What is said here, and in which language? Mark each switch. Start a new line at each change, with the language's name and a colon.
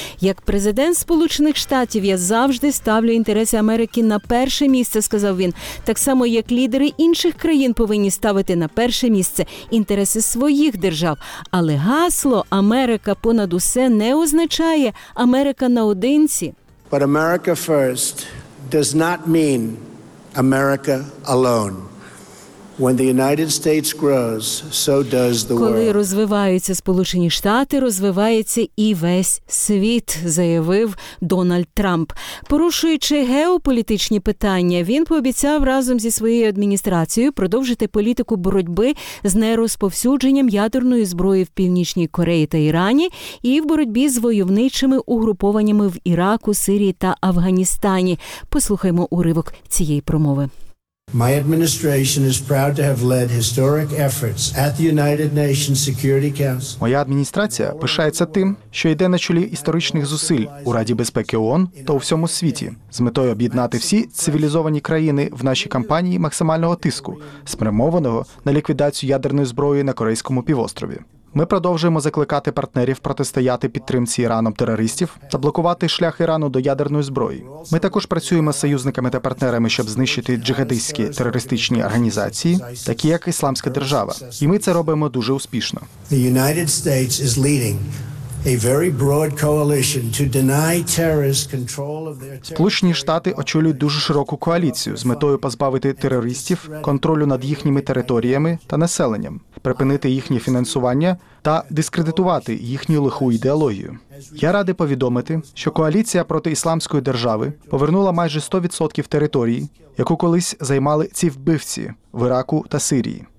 Ukrainian: Як президент Сполучених Штатів, я завжди ставлю інтереси Америки на перше місце, сказав він. Так само, як лідери інших країн повинні ставити на перше місце інтереси своїх держав. Але гасло «Америка понад усе» не означає Америка наодинці.
English: But America first does not mean America alone. When the United States grows, so does the world.
Ukrainian: Коли розвиваються Сполучені Штати, розвивається і весь світ, заявив Дональд Трамп. Порушуючи геополітичні питання, він пообіцяв разом зі своєю адміністрацією продовжити політику боротьби з нерозповсюдженням ядерної зброї в Північній Кореї та Ірані і в боротьбі з войовничими угрупованнями в Іраку, Сирії та Афганістані. Послухаймо уривок цієї промови.
English: My administration is proud to have led historic efforts at the United Nations Security Council.
Ukrainian: Моя адміністрація пишається тим, що йде на чолі історичних зусиль у Раді безпеки ООН та у всьому світі з метою об'єднати всі цивілізовані країни в нашій кампанії максимального тиску, спрямованого на ліквідацію ядерної зброї на Корейському півострові. Ми продовжуємо закликати партнерів протистояти підтримці Іраном терористів та блокувати шлях Ірану до ядерної зброї. Ми також працюємо з союзниками та партнерами, щоб знищити джихадистські терористичні організації, такі як Ісламська держава. І ми це робимо дуже успішно.
English: The United States is leading a very broad coalition to deny terrorist control of their.
Ukrainian: Сполучені Штати очолюють дуже широку коаліцію з метою позбавити терористів контролю над їхніми територіями та населенням, припинити їхнє фінансування та дискредитувати їхню лиху ідеологію. Я радий повідомити, що коаліція проти Ісламської держави повернула майже 100% території, яку колись займали ці вбивці в Іраку та Сирії.